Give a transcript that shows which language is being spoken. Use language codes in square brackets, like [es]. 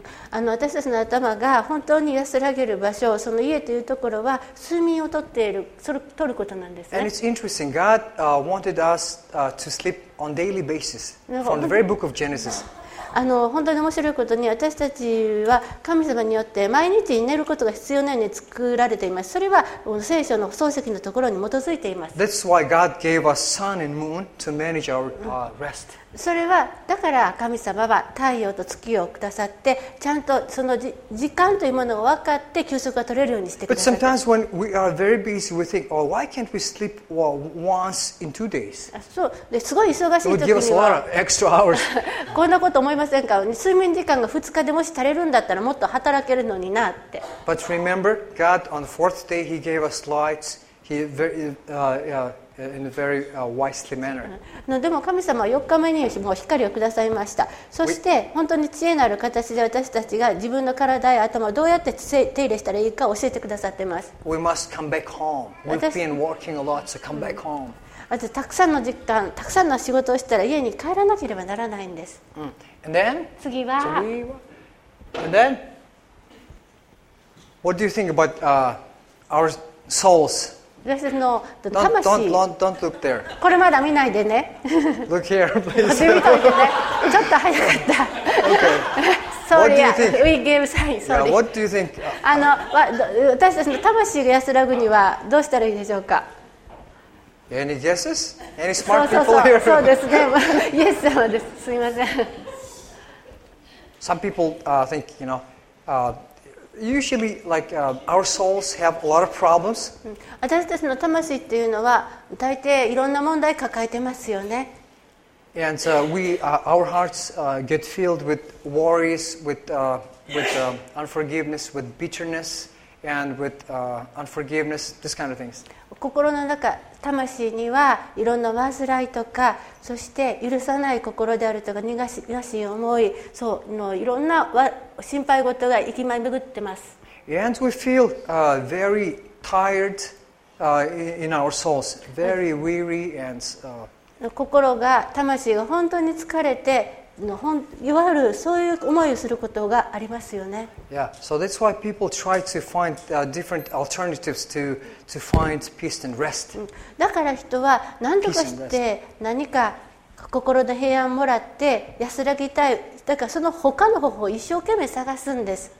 [ja] 私たちの頭が本当に安らげる場所、その家というところは睡眠をとっている、それを取ることなんですね。 [en] And it's interesting. God wanted us to sleep on daily basis from the very book of Genesis. [ja] 本当に面白いことに、私たちは神様によって毎日寝ることが必要なように作られています。それは聖書の創世記のところに基づいています。 [en] That's why God gave us sun and moon to manage our rest. [ja] それはだから神様は太陽と月をくださってちゃんとその時間というものを分かって休息が取れるようにしてくださる。 [en] But sometimes when we are very busy, we think, oh, why can't we sleep once in two days? [ja] そう、ですごい忙しい時には。 [en] It would give us a lot of extra hours. [ja] こんなこと思いませんか？睡眠時間が2日でもし足りるんだったらもっと働けるのになって。 [en] But remember, God on the fourth day, He gave us lights. He in a very wisely manner. [ja] でも神様は4日目にもう光をくださいました。そして本当に知恵のある形で私たちが自分の体や頭をどうやって手入れしたらいいか教えてくださっています。 [en] We must come back home. We've been working a lot, so come back home. [ja] あとたくさんの時間、たくさんの仕事をしたら家に帰らなければならないんです。 [en] And then? [ja] 次は [en] And then? What do you think about our souls. This is no, the 魂.Don't look there. [ja] これまだ見ないでね。 [en] Look here, please. [ja] ちょっと早かった。Okay. [en] Sorry, what do you think? We gave sign. Sorry. Yeah, what do you think? [ja] 私たちの魂が安らぐにはどうしたらいいでしょうか。 [en] Any guesses? Any smart people here? [ja] そうですね。イエス様です。すみません。 [en] Some people think, you know, usually like our souls have a lot of problems. [ja] 私たちの魂っていうのは大抵いろんな問題抱えてますよね。 [en] And our hearts get filled with worries, with unforgiveness, with bitterness, and with unforgiveness, this kind of things. [ja] 心の中、魂にはいろんな患いとか、そして許さない心であるとか、苦しい思い、そうのいろんな心配事が行き巡ってます。 [en] And we feel very tired in our souls, very weary and [ja] 心が魂が本当に疲れて、いわゆるそういう思いをすることがありますよね。 [en] Yeah, so that's why people try to find different alternatives to find peace and rest. [ja] だから人は何とかして何か心の平安をもらって安らぎたい。だからその他の方法を一生懸命探すんです。